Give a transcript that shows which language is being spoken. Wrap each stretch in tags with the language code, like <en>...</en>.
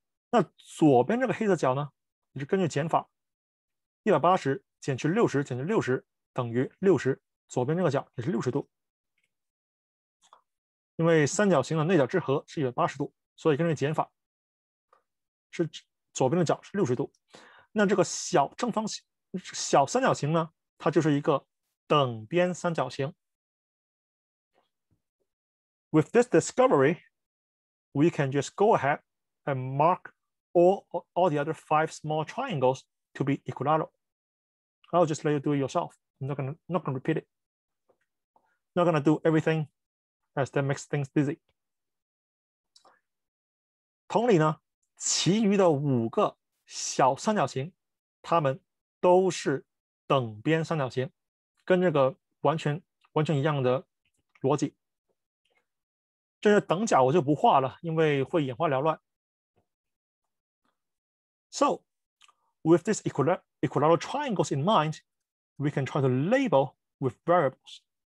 <zh>那左边这个黑色角呢，你是根据减法180减去60减去60等于60，左边这个角也是60度，因为三角形的内角之和是180度，所以根据减法是左边的角是60度。那这个小正方形小三角形呢，它就是一个等边三角形。</zh> <en>With this discovery, we can just go ahead and mark all the other five small triangles to be equilateral. I'll just let you do it yourself. I'm not gonna repeat it. Not gonna do everything as that makes things dizzy.</en> <zh>同理呢，其余的五个小三角形，它们都是等边三角形，跟这个完全一样的逻辑。这些等角我就不画了，因为会眼花缭乱。</zh> <en>So, with this equilateral triangles in mind, we can try to label with variables.</en>